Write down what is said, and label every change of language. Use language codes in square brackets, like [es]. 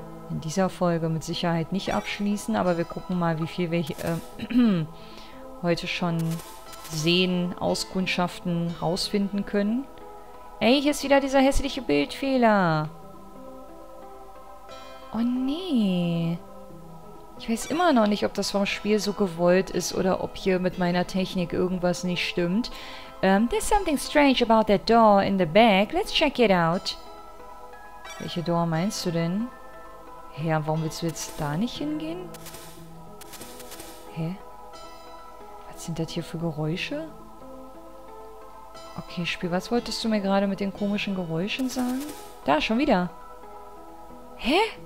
[de] in dieser Folge mit Sicherheit nicht abschließen, aber wir gucken mal, wie viel wir hier, heute schon sehen, auskundschaften, rausfinden können. Ey, hier ist wieder dieser hässliche Bildfehler. Oh nee. Ich weiß immer noch nicht, ob das vom Spiel so gewollt ist oder ob hier mit meiner Technik irgendwas nicht stimmt. [en] There's something strange about that door in the back. Let's check it out. [de] Welche Door meinst du denn? Hä, warum willst du jetzt da nicht hingehen? Hä? Was sind das hier für Geräusche? Okay, Spiel, was wolltest du mir gerade mit den komischen Geräuschen sagen? Da, schon wieder. Hä?